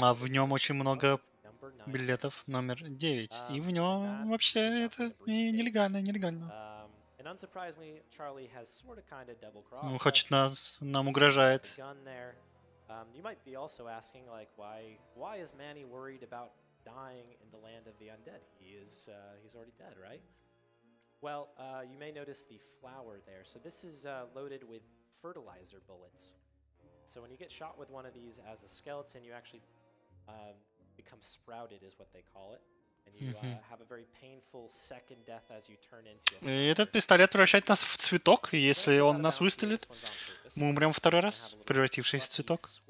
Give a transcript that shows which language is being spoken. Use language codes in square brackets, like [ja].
[ru] А в нем очень много билетов номер 9. И в нем вообще это нелегально. [en] And unsurprisingly, Charlie has sort of kind of double-crossed. [ru] Ну, хочет нам угрожает. [en] You might be also asking, like, why is Manny worried about dying in the land of the undead? He is he's already dead, right? Well, you may notice the flower there. So this is loaded with fertilizer bullets. So when you get shot with one of these as a skeleton, you actually become sprouted, is what they call it, and you have a very painful second death as you turn into. [ru] И этот пистолет превращает нас в цветок, и если он нас выстрелит, мы умрем второй раз, превратившись в цветок.